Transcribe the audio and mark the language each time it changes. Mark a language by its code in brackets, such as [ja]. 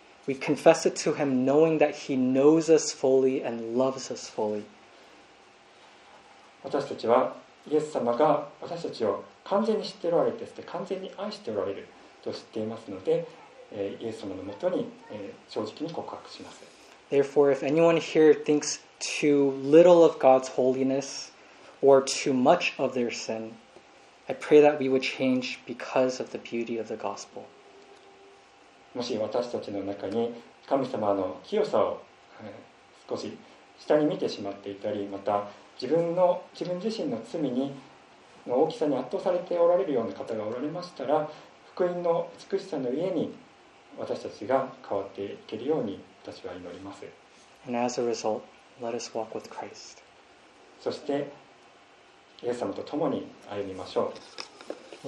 [en] We confess it to him knowing that he knows us fully and loves us fully. [ja] 私たちはイエス様が私たちを完全に知っておられて、そして完全に愛しておられると知っていますので、イエス様のもとに正直に告白します。 [en] Therefore, if anyone here thinks too little of God's holiness or too much of their sin, I pray that we would change because of the beauty of the gospel. [ja] もし私たちの中に神様の清さを少し下に見てしまっていたり、また自分自身の罪にの大きさに圧倒されておられるような方がおられましたら、福音の美しさの上に私たちが変わっていけるように私は祈ります。 [en] And as a result, let us walk with Christ. [ja] そしてイエス様と共に歩みましょう。